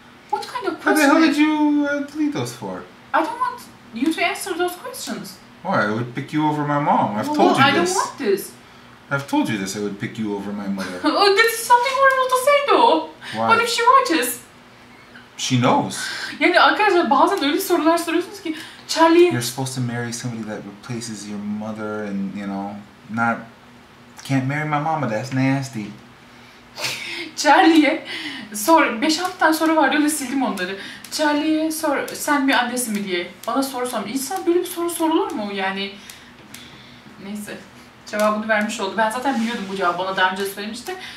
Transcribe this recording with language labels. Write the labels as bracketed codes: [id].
[en] What kind of question? How the hell did you delete those for? I don't want you to answer those questions. Why? I would pick you over my mom. I've well, told you I this. I don't want this. I've told you this. I would pick you over my mother. Oh, this is something horrible to say, though. Why? What if she watches? She knows. [tr] Yani arkadaşlar bazen öyle sorular soruyorsunuz ki Charlie. [en] You're supposed to marry somebody that replaces your mother, and you know, not can't marry my mama. That's nasty. [tr] Charlie'ye sor, 5-6 tane soru var diyor da sildim onları. Charlie'ye sor, sen bir annesin mi diye bana soru sormuş. İnsan böyle bir soru sorulur mu yani? Neyse, cevabını vermiş oldu. Ben zaten biliyordum bu cevabı, bana daha önce söylemişti.